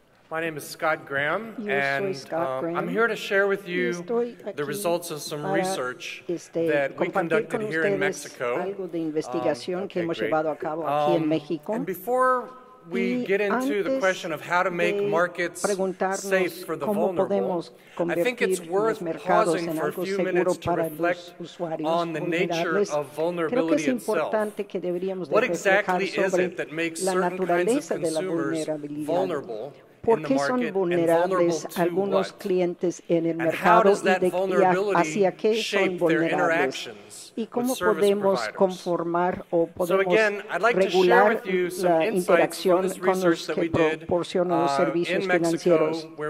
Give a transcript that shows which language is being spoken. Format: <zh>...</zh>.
<en>My name is Scott Graham, yo and Scott Graham. I'm here to share with you the results of some research that we conducted here in Mexico.</en> <es>Algo de investigación que hemos llevado a cabo aquí en México.</es> <en>And before we get into the question of how to make markets safe for the vulnerable, I think it's worth pausing for a few minutes to reflect on the nature of vulnerability itself. What exactly is it that makes certain kinds of consumers vulnerable?</en> <es>¿Por qué son vulnerables algunos clientes en el mercado y hacia qué son vulnerables? ¿Y cómo podemos conformar o podemos regular la interacción con los que proporcionan los servicios financieros?</es>